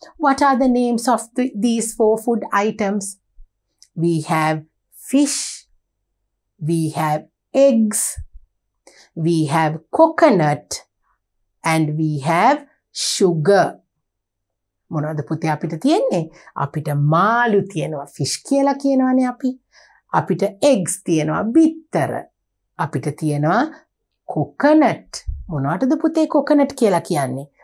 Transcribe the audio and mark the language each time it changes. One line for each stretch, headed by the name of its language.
English: What are the names of these four food items? We have fish, we have eggs, we have coconut, and we have sugar.
Sinhala: මොනවද පුතේ අපිට තියෙන්නේ? අපිට මාළු තියෙනවා, fish කියලා කියනවනේ අපි. අපිට eggs තියෙනවා, bittara. අපිට තියෙනවා coconut. මොනවටද පුතේ coconut කියලා කියන්නේ?